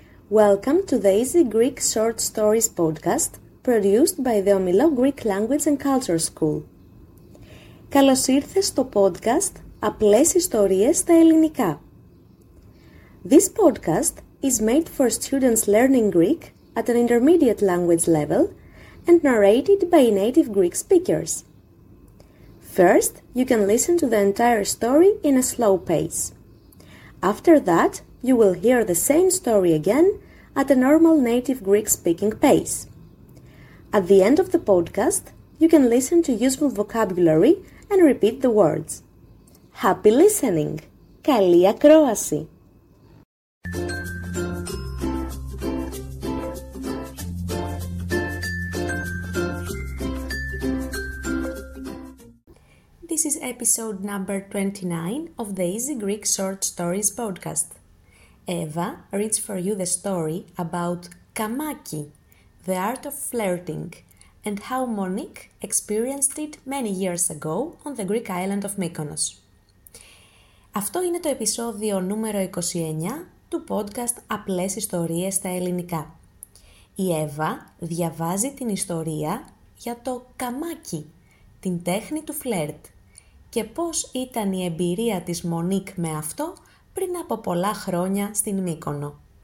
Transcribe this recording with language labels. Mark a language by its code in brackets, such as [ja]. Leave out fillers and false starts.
[en] Welcome to the Easy Greek Short Stories podcast produced by the Omilo Greek Language and Culture School. [el] Καλώς ήρθες στο podcast Απλές Ιστορίες στα Ελληνικά. [en] This podcast is made for students learning Greek at an intermediate language level and narrated by native Greek speakers. First, you can listen to the entire story in a slow pace. After that, you will hear the same story again at a normal native Greek speaking pace. At the end of the podcast, you can listen to useful vocabulary and repeat the words. Happy listening! [el] Καλή ακρόαση! [en] This is episode number 29 of the Easy Greek Short Stories podcast. Eva reads for you the story about Kamaki, the art of flirting, and how Monique experienced it many years ago on the Greek island of Mykonos. [el] Αυτό είναι το επεισόδιο νούμερο 29 του podcast Απλές Ιστορίες στα Ελληνικά. Η Eva διαβάζει την ιστορία για το Kamaki, την τέχνη του φλερτ, και πώς ήταν η εμπειρία της Μονίκ με αυτό πριν από πολλά χρόνια στην Μύκονο.